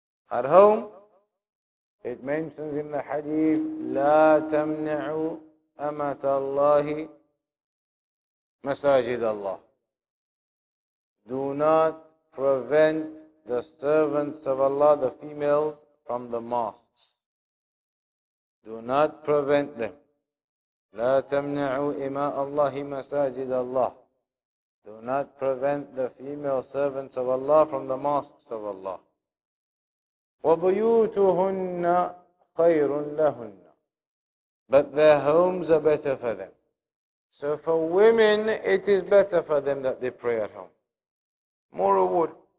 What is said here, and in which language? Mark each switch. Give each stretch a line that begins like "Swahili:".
English: At home, it mentions in the hadith,
Arabic: لا تمنعوا أمة الله مساجد الله.
English: Do not prevent the servants of Allah, the females, from the mosques. Do not prevent them.
Arabic: لا تمنعوا إماء الله مساجد الله.
English: Do not prevent the female servants of Allah from the mosques of Allah.
Arabic: وبيوتهن خير لهن.
English: But their homes are better for them. So for women, it is better for them that they pray at home. More reward.